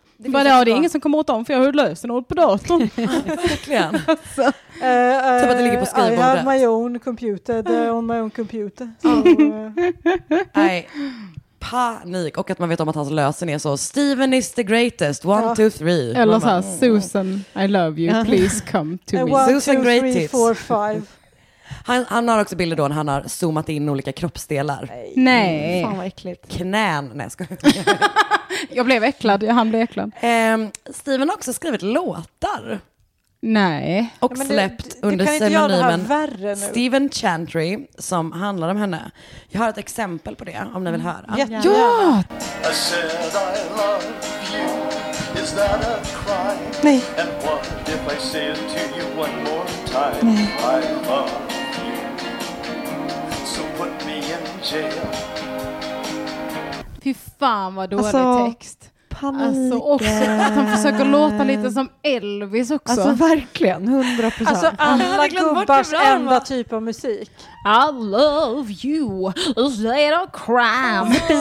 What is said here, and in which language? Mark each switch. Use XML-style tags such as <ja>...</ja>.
<sv>Det är ingen som kommer åt dem för jag har lösenord på datorn. Verkligen. Alltså. Typ att det ligger på skrivbordet.</sv> <en>I have my own computer. On my own computer.</en> <sv>Nej. Panik. Och att man vet om att hans lösen är så</sv> <en>Steven is the greatest,</en> <sv>1, 2, 3. Eller såhär,</sv> <en>Susan, I love you, please come to me. Susan greatest. 1, 2, 3, 4, 5.</en> <sv>Han har också bilder då när han har zoomat in olika kroppsdelar. Nej. Fan vad äckligt. Knän, nej, jag blev äcklad, han blev äcklad. Steven har också skrivit låtar. Nej. Och släppt under pseudonymen Steven Chantry, som handlar om henne. Jag har ett exempel på det om ni vill höra.</sv> <en>Ja. I said I love you. Is that a crime? Nej. And what if I say it to you one more time? Nej. I love you. So put me in jail.</en> <sv>Fy fan vad dålig text. Alltså också, att han försöker låta lite som Elvis också. Alltså verkligen, 100%. Alltså alla gubbars enda typ av musik.</sv> <en>I love you, instead of crime.</en>